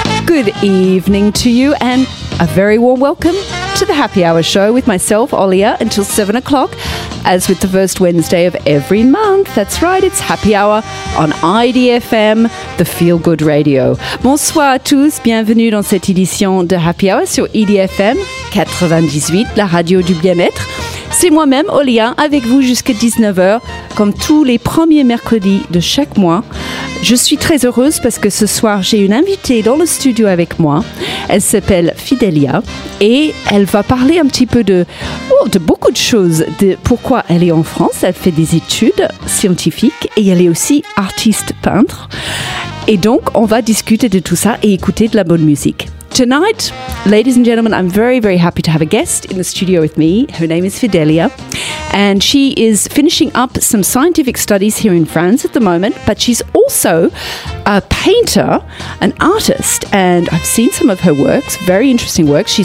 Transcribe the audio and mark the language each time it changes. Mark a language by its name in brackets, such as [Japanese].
[English] Good evening to you and a very warm welcome to the Happy Hour Show with myself, Olia, until 7 o'clock, as with the first Wednesday of every month. That's right, it's Happy Hour on IDFM, the Feel Good Radio. [French] Bonsoir à tous, bienvenue dans cette édition de Happy Hour sur IDFM 98, la radio du bien-être. C'est moi-même, Olia, avec vous jusqu'à 19h, comme tous les premiers mercredis de chaque mois. Je suis très heureuse parce que ce soir, j'ai une invitée dans le studio avec moi. Elle s'appelle Fidelia et elle va parler un petit peu de beaucoup de choses. De pourquoi elle est en France, elle fait des études scientifiques et elle est aussi artiste peintre. Et donc, on va discuter de tout ça et écouter de la bonne musique. [English] Tonight, ladies and gentlemen, I'm very, very happy to have a guest in the studio with me. Her name is Fidelia, and she is finishing up some scientific studies here in France at the moment, but she's also a painter, an artist, and I've seen some of her works, very interesting works.